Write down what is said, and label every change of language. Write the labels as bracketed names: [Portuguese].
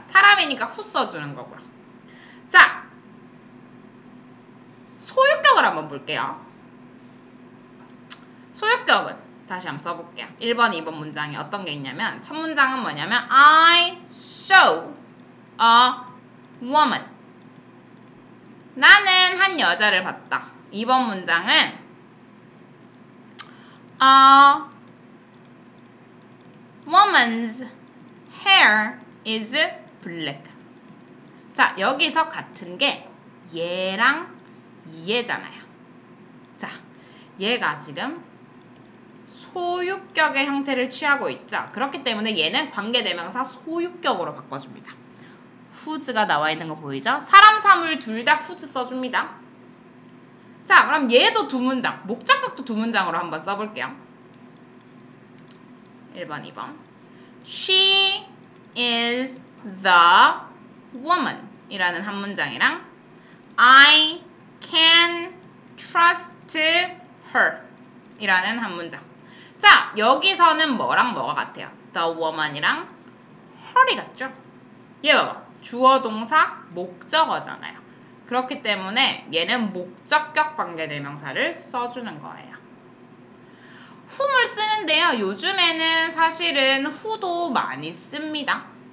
[Korean] 사람이니까 후 써주는 거고요. 자, 소유격을 한번 볼게요. [English] 소유격은 다시 한번 써볼게요. 1번, 2번 문장이 어떤 게 있냐면 첫 문장은 뭐냐면 I show a woman. [Korean] 나는 한 여자를 봤다. 2번 문장은 [English] A woman's hair is black. [Korean] 자, 여기서 같은 게 얘랑 얘잖아요. 자, 얘가 지금 소유격의 형태를 취하고 있죠. 그렇기 때문에 얘는 관계대명사 소유격으로 바꿔줍니다. Whose가 나와있는 거 보이죠? 사람, 사물 둘 다 whose 써줍니다. 자, 그럼 얘도 두 문장, 목적격도 두 문장으로 한번 써볼게요. 1번, 2번. [English] She is the woman [Korean] 이라는 한 문장이랑 [English] I can trust her [Korean] 이라는 한 문장. 자, 여기서는 뭐랑 뭐가 같아요? The woman이랑 her이 같죠? 얘 봐봐. 주어, 동사, 목적어잖아요. 그렇기 때문에 얘는 목적격 관계대명사를 써주는 거예요. whom을 쓰는데요. 요즘에는 사실은 who도 많이 씁니다.